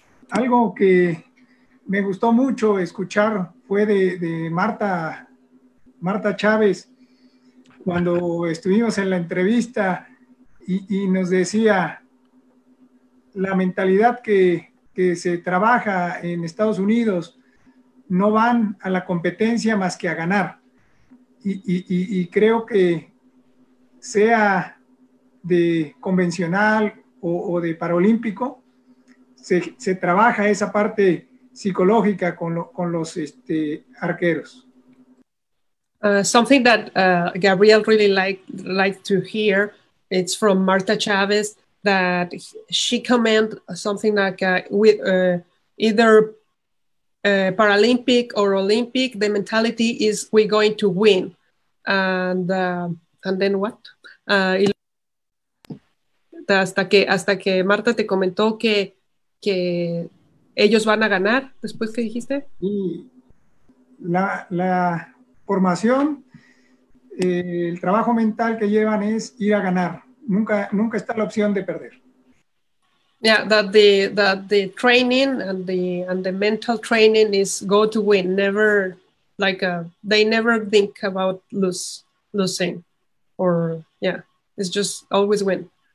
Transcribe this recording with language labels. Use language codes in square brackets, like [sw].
[es] Algo que me gustó mucho escuchar fue de Marta Chávez, cuando estuvimos en la entrevista y nos decía la mentalidad que se trabaja en Estados Unidos, no van a la competencia más que a ganar. Y creo que sea de convencional o de paralímpico, se trabaja esa parte psicológica con los arqueros. [en] Something that Gabriel really liked to hear, it's from Marta Chavez, that she comment something like with either Paralympic or Olympic, the mentality is we're going to win, and then what? [es] Hasta que Marta te comentó que ellos van a ganar después que dijiste. Sí. La formación, el trabajo mental que llevan es ir a ganar. Nunca está la opción de perder. [en] Yeah, that the training and the mental training is go to win. Never they never think about losing, or yeah, it's just always win.